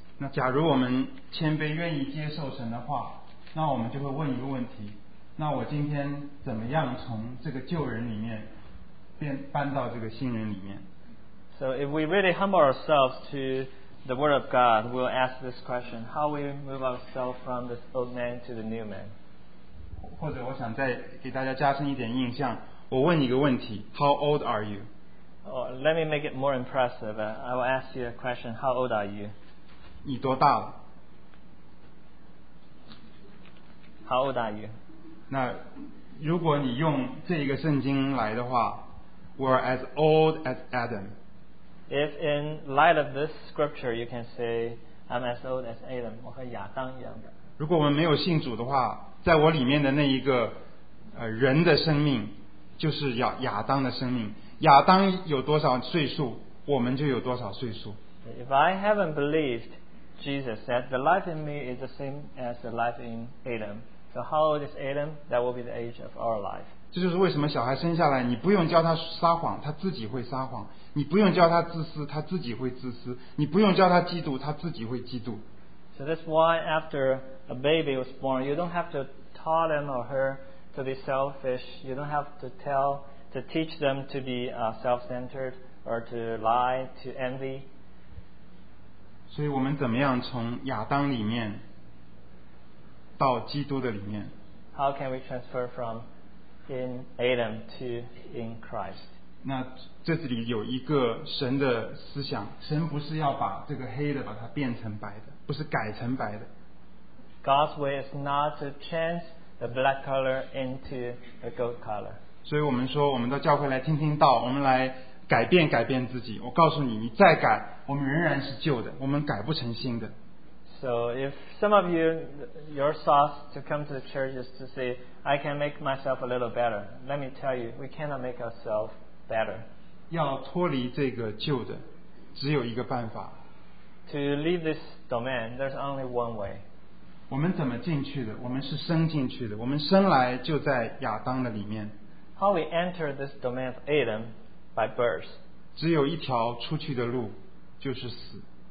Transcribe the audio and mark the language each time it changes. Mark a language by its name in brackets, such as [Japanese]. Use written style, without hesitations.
[Chinese] 那假如我们谦卑愿意接受神的话，那我们就会问一个问题。那我今天怎么样从这个旧人里面搬到这个新人里面？ [English] So if we really humble ourselves to the word of God, we'll ask this question: how we move ourselves from this old man to the new man? [Chinese] 或者我想再给大家加深一点印象，我问一个问题： [English] How old are you? Oh, let me make it more impressive. I will ask you a question: How old are you? [Chinese] 你多大了？ [English] How old are you? [Chinese] 那如果你用这一个圣经来的话， [English] we're as old as Adam. If in light of this scripture, you can say I'm as old as Adam, [Chinese] 我和亚当一样的。如果我们没有信主的话，在我里面的那一个人的生命就是亚当的生命。亚当有多少岁数，我们就有多少岁数。 [English] If I haven't believed Jesus, that the life in me is the same as the life in Adam,So how old is Adam? That will be the age of our life. [Chinese] 这就是为什么小孩生下来，你不用教他撒谎，他自己会撒谎；你不用教他自私，他自己会自私；你不用教他嫉妒，他自己会嫉妒。 [English] So that's why after a baby was born, you don't have to tell him or her to be selfish. You don't have to teach them to be self-centered or to lie, to envy. [Chinese] 所以我们怎么样从亚当里面？到基督的里面。 [English] How can we transfer from in Adam to in Christ? [Chinese] 那这里有一个神的思想，神不是要把这个黑的把它变成白的，不是改成白的。 [English] God's way is not to change the black color into a gold color. [Chinese] 所以我们说，我们到教会来听听道，我们来改变改变自己。我告诉你，你再改，我们仍然是旧的，我们改不成新的。 [English] So if some of you, your thoughts to come to the church is to say, I can make myself a little better. Let me tell you, we cannot make ourselves better. [Chinese] 要脱离这个旧的，只有一个办法。 [English] To leave this domain, there's only one way. [Chinese] 我们怎么进去的？我们是生进去的。我们生来就在亚当的里面。 [English] How we enter this domain of Adam by birth? [Chinese] 只有一条出去的路，就是死。